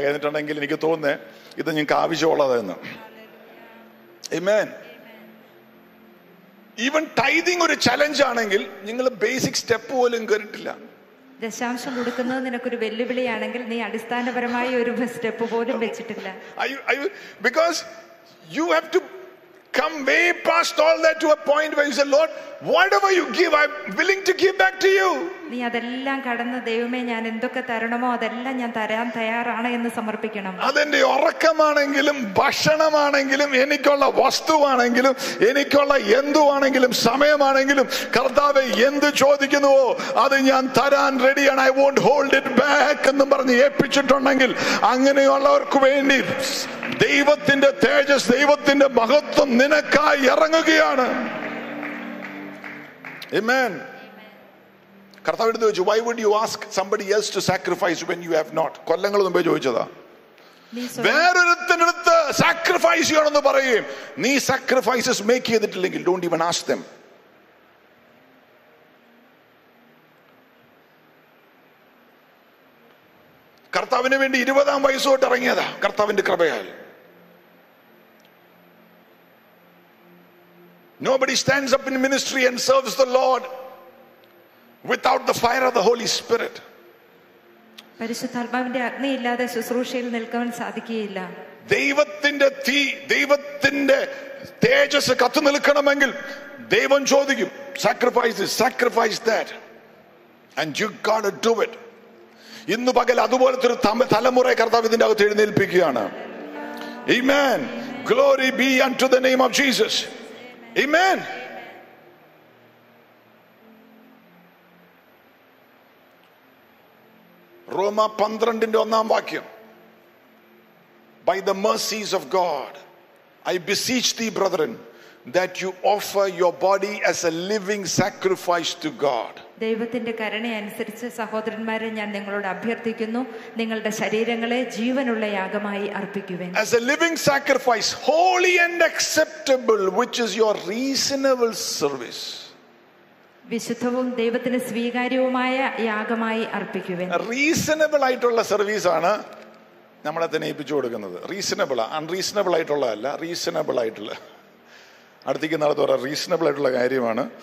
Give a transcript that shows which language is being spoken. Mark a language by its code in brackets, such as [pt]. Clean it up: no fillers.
[ml] കഴിഞ്ഞിട്ടുണ്ടെങ്കിൽ എനിക്ക് തോന്നുന്നേ ഇത് നിങ്ങൾക്ക് ആവശ്യമുള്ളതെന്ന്. ആമേൻ. ഈവൻ ടൈതിങ് ഒരു ചലഞ്ച് ആണെങ്കിൽ നിങ്ങൾ ബേസിക് സ്റ്റെപ്പ് പോലും കേറിട്ടില്ല. ദശാംശം കൊടുക്കുന്നത് നിനക്കൊരു വെല്ലുവിളിയാണെങ്കിൽ നീ അടിസ്ഥാനപരമായി ഒരു സ്റ്റെപ്പ് പോലും വെച്ചിട്ടില്ല. [en] Because you have to come way past all that to a point where you say, Lord, whatever you give, I'm willing to give back to you. [ml] നീ അതെല്ലാം കടന്ന് ദൈവമേ ഞാൻ എന്തൊക്കെ തരണമോ അതെല്ലാം ഞാൻ തരാൻ തയ്യാറാണ് എന്ന് സമർപ്പിക്കണം. അതെന്റെ ഉറക്കമാണെങ്കിലും ഭക്ഷണമാണെങ്കിലും എനിക്കുള്ള വസ്തുവാണെങ്കിലും എനിക്കുള്ള എന്തുവാണെങ്കിലും സമയമാണെങ്കിലും കർത്താവെ എന്ത് ചോദിക്കുന്നുവോ അത് ഞാൻ തരാൻ റെഡിയാണ്. [en] I won't hold it back [ml] എന്ന് പറഞ്ഞ് ഏൽപ്പിച്ചിട്ടുണ്ടെങ്കിൽ അങ്ങനെയുള്ളവർക്ക് വേണ്ടി ദൈവത്തിന്റെ തേജസ് ദൈവത്തിന്റെ മഹത്വം നിനക്കായി ഇറങ്ങുകയാണ്. [en] ആമേൻ. [ml] കർത്താവ് എടുത്ത് ചോദിച്ചു, [en] why would you ask somebody else to sacrifice when you have not? [ml] കൊല്ലങ്ങളൊന്നും പോയി ചോദിച്ചതാ, വേറൊരുത്തിനടുത്ത് സാക്രിഫൈസ് ചെയ്യണമെന്ന് പറയും. [en] നീ sacrifices make ചെയ്തിട്ടില്ലെങ്കിൽ don't even ask them. [ml] കർത്താവിന് വേണ്ടി 20-ാം വയസ്സോട്ട് ഇറങ്ങിയതാ കർത്താവിന്റെ കൃപയാൽ. [en] Nobody stands up in ministry and serves the Lord without the fire of the Holy Spirit. [ml] പരിശുദ്ധാത്മാവിന്റെ അഗ്നി ഇല്ലാതെ ശുശ്രൂഷയിൽ നിൽക്കാൻ സാധിക്കില്ല. ദൈവത്തിന്റെ തീ ദൈവത്തിന്റെ തേജസ് കത്തു നിൽക്കണമെങ്കിൽ ദൈവം ചോദിക്കും, [en] Sacrifice this sacrifice that and you got to do it. [ml] ഇന്ന് പകൽ അതുപോലത്തെ ഒരു തലമുറയെ കർത്താവ് ഇതിന്റെ അകത്ത് എഴുന്നേൽപ്പിക്കുകയാണ്. [en] ആമേൻ. Glory be unto the name of Jesus. Amen. Roma 12:1 By the mercies of God, I beseech thee, brethren, that you offer your body as a living sacrifice to God. [ml] ദൈവത്തിന്റെ കരുണയനുസരിച്ച് സഹോദരന്മാരെ ഞാൻ നിങ്ങളോട് അഭ്യർത്ഥിക്കുന്നു, നിങ്ങളുടെ ശരീരങ്ങളെ ജീവനുള്ള യാഗമായി അർപ്പിക്കുവേ. [en] As a living sacrifice, holy and acceptable, which is your reasonable service. [ml] വിശുദ്ധവും ദൈവത്തിന് സ്വീകാര്യവുമായ യാഗമായി അർപ്പിക്കുവേ. റീസണബിൾ ആയിട്ടുള്ള സർവീസ് ആണ് നമ്മളെ തന്നെയിപ്പിച്ചു കൊടുക്കുന്നത്. റീസണബിൾ അൺറീസണബിൾ ആയിട്ടുള്ളതല്ല, റീസണബിൾ ആയിട്ടുള്ള അടുത്തേക്ക് നടത്തുന്ന റീസണബിൾ ആയിട്ടുള്ള കാര്യമാണ്.